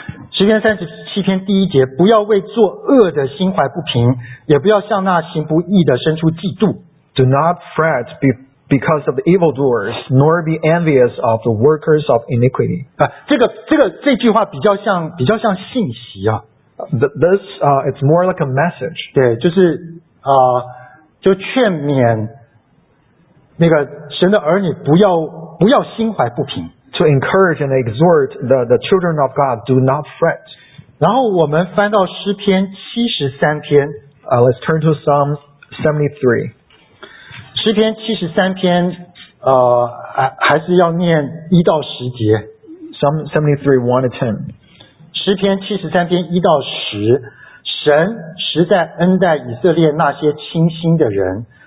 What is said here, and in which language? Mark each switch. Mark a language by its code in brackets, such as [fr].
[zh] 诗篇三十七篇第一节，不要为作恶的心怀不平，也不要向那行不义的生出嫉妒。 [en] Do not fret because of the evildoers, nor be envious of the workers of iniquity. [zh] 这句话比较像信息啊。 [en] This, it's more like a message. [zh] 对，就是就劝勉那个神的儿女不要心怀不平。 [en] To encourage and exhort the children of God, do not fret. [zh] 然后我们翻到诗篇七十三篇。 [en] Let's turn to Psalm 73. [zh] 诗篇七十三篇，还是要念一到十节。 [en] Psalm 73:1-10。 [zh] 诗篇七十三篇一到十，神实在恩待以色列那些清心的人。